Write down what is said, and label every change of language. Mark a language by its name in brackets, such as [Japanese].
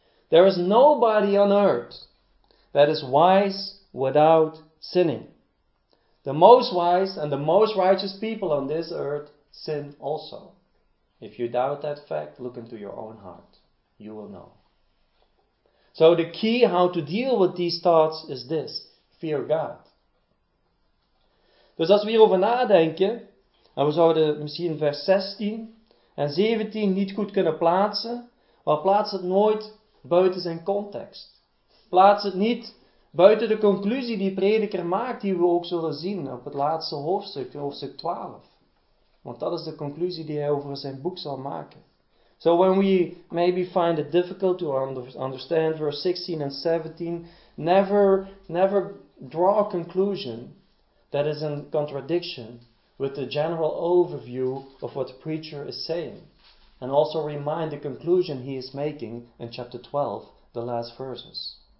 [English] There is nobody on earth that is wise without sinning. The most wise and the most righteous people on this earth sin also. If you doubt that fact, look into your own heart. You will know. So the key how to deal with these thoughts is this. Fear God. [Dutch] Dus als we hierover nadenken, en we zouden misschien vers 16 en 17 niet goed kunnen plaatsen, maar plaats het nooit buiten zijn context. Plaats het niet buiten de conclusie die prediker maakt, die we ook zullen zien op het laatste hoofdstuk, hoofdstuk 12. Want dat is de conclusie die hij over zijn boek zal maken. [English] So when we maybe find it difficult to understand verse 16 and 17, never draw a conclusion that is in contradiction with the general overview of what the preacher is saying. And also remind the conclusion he is making in chapter 12, the last verses.